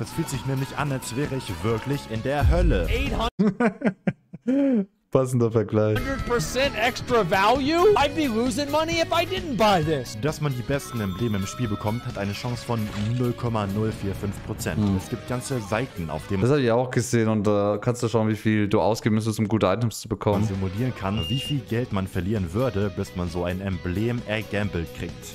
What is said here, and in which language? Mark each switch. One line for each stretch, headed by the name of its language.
German: Es fühlt sich nämlich an, als wäre ich wirklich in der Hölle. 800. Passender Vergleich.
English: 100% extra value? I'd be losing money if I didn't buy this.
German: Dass man die besten Embleme im Spiel bekommt, hat eine Chance von 0,045%. Hm. Es gibt ganze Seiten auf dem... Das habe ich auch gesehen und kannst du schauen, wie viel du ausgeben müsstest, um gute Items zu bekommen. Man simulieren kann, wie viel Geld man verlieren würde, bis man so ein Emblem ergambelt kriegt.